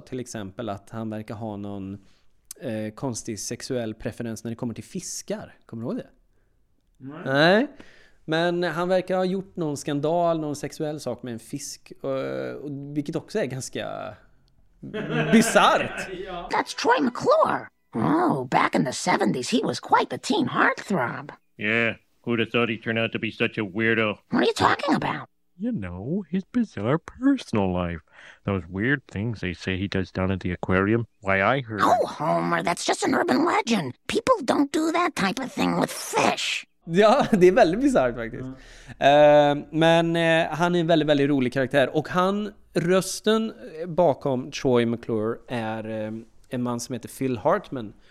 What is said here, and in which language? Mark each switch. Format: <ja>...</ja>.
<sv>Till exempel att han verkar ha någon... konstig sexuell preferens när det kommer till fiskar. Kommer du ihåg det? Nej. Nej. Men han verkar ha gjort någon skandal, någon sexuell sak med en fisk. Vilket också är ganska bizarrt.</sv> <en>That's Troy McClure. Oh, back in the 70s he was quite the teen heartthrob. Yeah, who'd have thought he turned out to be such a weirdo? What are you talking about? You know, his bizarre personal life. Those weird things they say he does down at the aquarium. Why, I heard... Oh, Homer, that's just an urban legend. People don't do that type of thing with fish.</en> <sv>Ja, det är väldigt bizarrt faktiskt. Han är en väldigt, väldigt rolig karaktär. Och han, rösten bakom Troy McClure är en man som heter Phil Hartman.</sv>